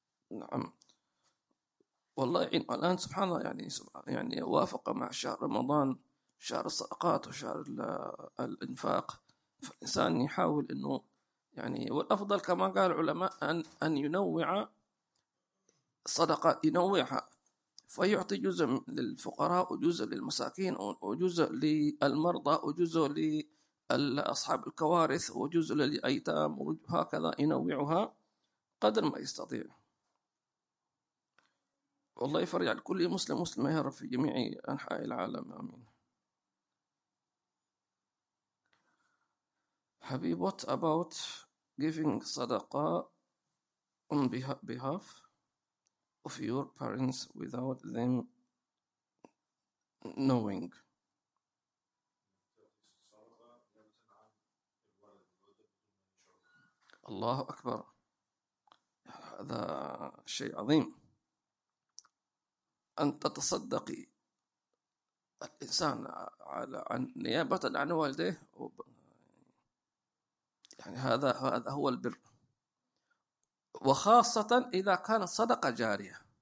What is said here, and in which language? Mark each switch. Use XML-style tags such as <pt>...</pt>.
<ar>نعم والله الآن سبحان الله، يعني وافق مع شهر رمضان شهر الصدقات وشهر الإنفاق، فالإنسان يحاول أنه يعني، والأفضل كما قال العلماء أن ينوع صدقة، ينوعها فيعطي جزء للفقراء وجزء للمساكين وجزء للمرضى وجزء لأصحاب الكوارث وجزء للأيتام، وهكذا ينوعها قدر ما يستطيع. والله يفرج على كل مسلم مسلم يهرب في جميع أنحاء العالم. آمين.</ar> <en>حبيب، what about giving صدقة on behalf of your parents without them knowing؟</en> <ar>الله أكبر، هذا شيء عظيم. أن تتصدقي الإنسان على عن نيابة عن والديه، يعني هذا هو البر، وخاصة إذا كانت صدقة جارية.</ar>